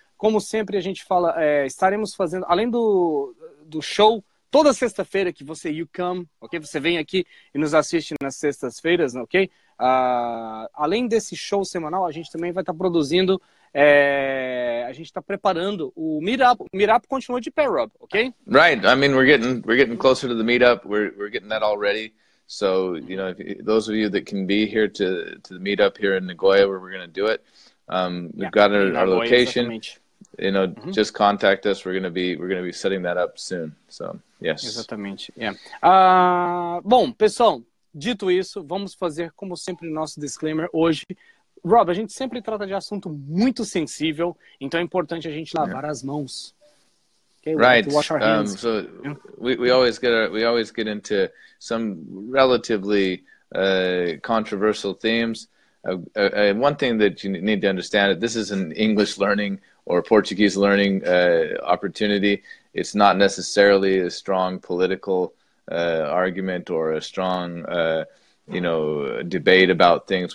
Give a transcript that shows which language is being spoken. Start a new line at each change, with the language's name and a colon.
Portuguese: Como sempre a gente fala, estaremos fazendo, além do show, toda sexta-feira que você,
English: you come,
Portuguese: ok? Você vem aqui e nos assiste nas sextas-feiras, ok? Além desse show semanal, a gente também vai estar produzindo a gente está preparando o meetup. O meetup continua de pé, Rob, ok?
English: Right. I mean, we're getting closer to the meetup. We're getting that all ready. So, you know, those of you that can be here to the meetup here in Nagoya, where we're going to do it, we've yeah, got our location. Exactly. you know, just contact us. We're gonna be setting that up soon. So, yes.
Portuguese: Exatamente. Yeah. Bom, pessoal, dito isso, vamos fazer, como sempre, nosso disclaimer hoje. Rob, a gente sempre trata de assunto muito sensível, então é importante a gente lavar as mãos.
English: Okay, right. Wash our hands. So we always get into some relatively controversial themes. One thing that you need to understand, this is an English learning or Portuguese learning opportunity. It's not necessarily a strong political argument or a strong, debate about things.